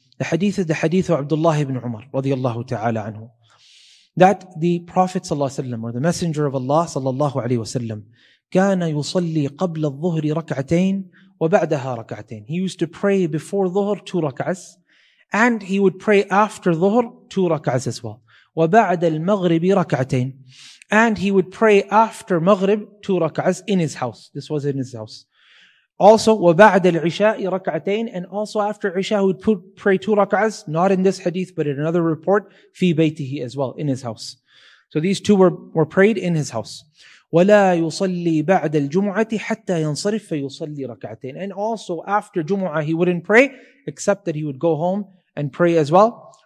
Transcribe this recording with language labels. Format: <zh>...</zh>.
<en>The hadith is the hadith of Abdullah ibn Umar radiallahu ta'ala anhu, that the Prophet sallallahu alayhi wa sallam, or the Messenger of Allah sallallahu alayhi wa sallam,</en> <ar>كَانَ يُصَلِّي قَبْلَ الظُّهْرِ رَكْعَتَيْنِ وَبَعْدَهَا رَكْعَتَيْنِ.</ar> <en>He used to pray before dhuhr 2 rak'ahs, and he would pray after dhuhr 2 rak'ahs as well.</en> <ar>وَبَعْدَ الْمَغْرِبِ رَكْعَتَيْنِ.</ar> <en>And he would pray after maghrib 2 rak'ahs in his house. This was in his house. Also,</en> <ar>وَبَعْدَ الْعِشَاءِ رَكْعَتَيْنِ.</ar> <en>And also after Isha, he would pray 2 rak'ahs, not in this hadith, but in another report,</en> <ar>فِي بَيْتِهِ</ar> <en>as well, in his house. So these two were prayed in his house.</en> <ar>وَلَا يُصَلِّي بَعْدَ الْجُمُعَةِ حَتَّى يَنْصَرِفْ فَيُصَلِّي رَكْعَتَيْنِ.</ar> <en>And also after Jumu'ah, he wouldn't pray, except that he would go home and pray as well.</en>